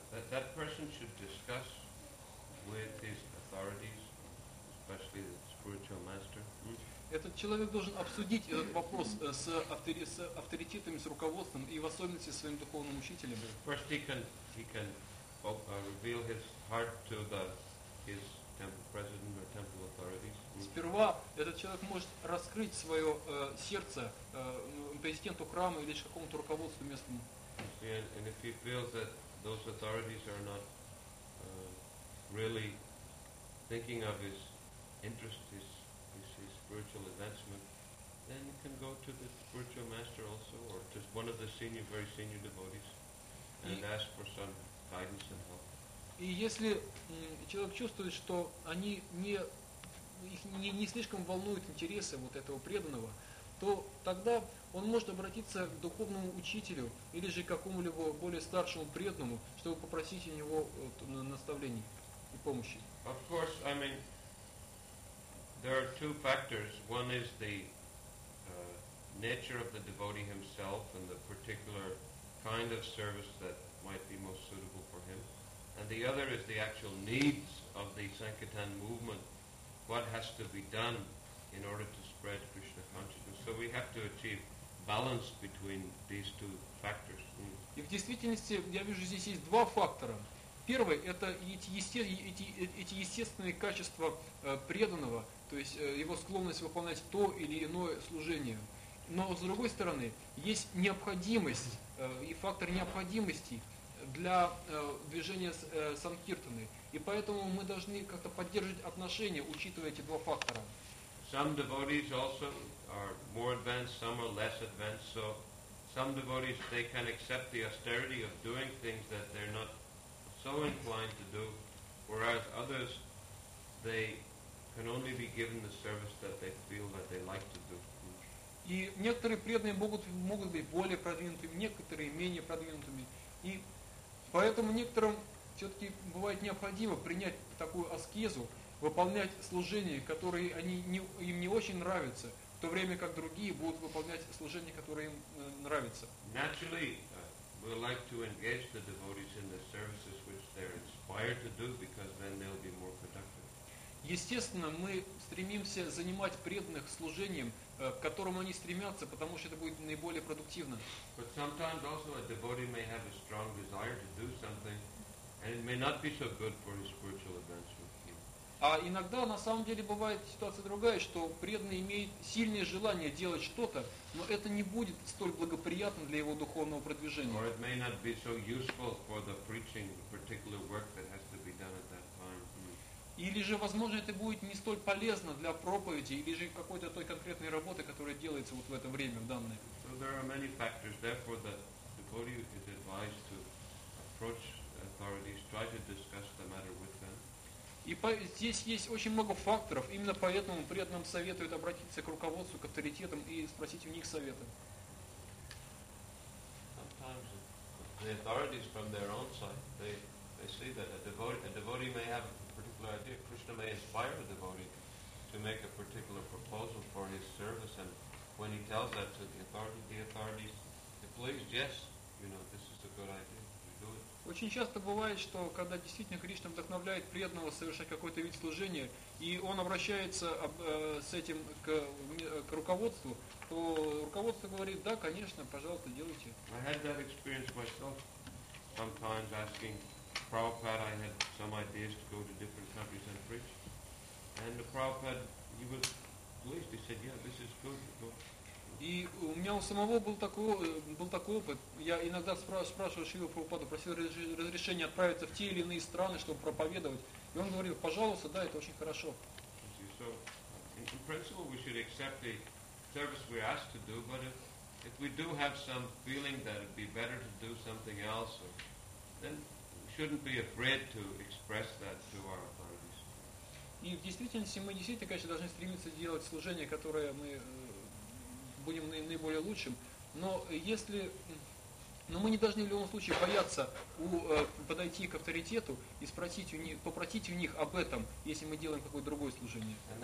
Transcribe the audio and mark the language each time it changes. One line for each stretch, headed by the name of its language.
English: That person should discuss with his authorities, especially the spiritual master.
Russian: Этот человек должен обсудить этот вопрос с авторитетами, с руководством и в особенности с своим духовным учителем.
English: First he can reveal his heart to his temple president or temple authorities.
Russian: Сперва этот человек может раскрыть свое сердце президенту храма или какому-то руководству местному.
English: And if he feels that those authorities are not really thinking of his interest, his spiritual advancement, then you can go to the spiritual master also, or just one of the senior, very senior devotees, and ask for some guidance and help.
Russian: И если человек чувствует, что они не слишком волнуют интересы вот этого преданного, то тогда он может обратиться к духовному учителю или же к какому-либо более старшему преданному, чтобы попросить у него наставлений и помощи.
English: Of course, I mean, there are two factors. One is the nature of the devotee himself and the particular kind of service that might be most suitable for him. And the other is the actual needs of the Sankirtan movement. What has to be done in order to spread Krishna consciousness. So we have to achieve balance between these two factors. Mm.
Russian: И в действительности я вижу здесь есть два фактора. Первый – это эти естественные качества преданного, то есть его склонность выполнять то или иное служение. Но с другой стороны, есть необходимость и фактор необходимости для движения санкиртаны. И поэтому мы должны как-то поддерживать отношения, учитывая эти два фактора.
English: Some devotees also are more advanced, some are less advanced. So some devotees, they can accept the austerity of doing things that they're not so inclined to do, whereas others, they can only be given the service that they feel that they like to do.
Russian: И некоторые преданные могут быть более продвинутыми, некоторые менее продвинутыми. И поэтому некоторым все-таки бывает необходимо принять такую аскезу, выполнять служения, которые им не очень нравятся, в то время как другие будут выполнять служения, которые им нравятся.
English: Naturally, we like to engage the devotees in the services which they're inspired to do, because then they'll be more productive.
Russian: Естественно, мы стремимся занимать преданных служением, к которому они стремятся, потому что это будет наиболее продуктивно.
English: But sometimes also a devotee may have a strong desire to do something, and it may not be so good for his spiritual advancement.
Russian: А иногда, на самом деле, бывает ситуация другая, что преданный имеет сильное желание делать что-то, но это не будет столь благоприятно для его духовного продвижения.
English: Or it may not be so useful for the preaching, the particular work that has to be done at that time.
Russian: Или же, возможно, это будет не столь полезно для проповеди, или же какой-то той конкретной работы, которая делается вот в это время, в данное.
English: So there are many factors. Therefore, the devotee is advised to approach authorities, try to discuss the matter with them.
Russian: И здесь есть очень много факторов. Именно поэтому преданным советуют обратиться к руководству, к авторитетам и спросить у них совета.
English: Sometimes the authorities from their own side, they see that a devotee may have a particular idea. Krishna may inspire a devotee to make a particular proposal for his service, and when he tells that to the authorities, if pleased, yes, you know, this is a good idea.
Russian: Очень часто бывает, что когда действительно Кришна вдохновляет преданного совершать какой-то вид служения, и он обращается с этим к руководству, то руководство говорит: да, конечно, пожалуйста, делайте.
English: I had that experience myself, sometimes asking Prabhupada, I had some ideas to go to different countries and preach. And the Prabhupada, he was pleased, he said, yeah, this is good.
Russian: И у меня у самого был такой опыт. Я иногда спрашивал Шрилу Прабхупаду, просил разрешения отправиться в те или иные страны, чтобы проповедовать. И он говорил: пожалуйста, да, это очень хорошо.
English: So, in principle, we should accept the service we're asked to do, but if we do have some feeling that it'd be better to do something else, then we shouldn't be afraid to express that to our authorities.
Russian: И в действительности мы действительно, конечно, должны стремиться делать служение, которое мы будем наиболее лучшим. Но если... Но мы не должны в любом случае бояться подойти к авторитету и спросить у них, попросить у них об этом, если мы делаем какое-то другое служение.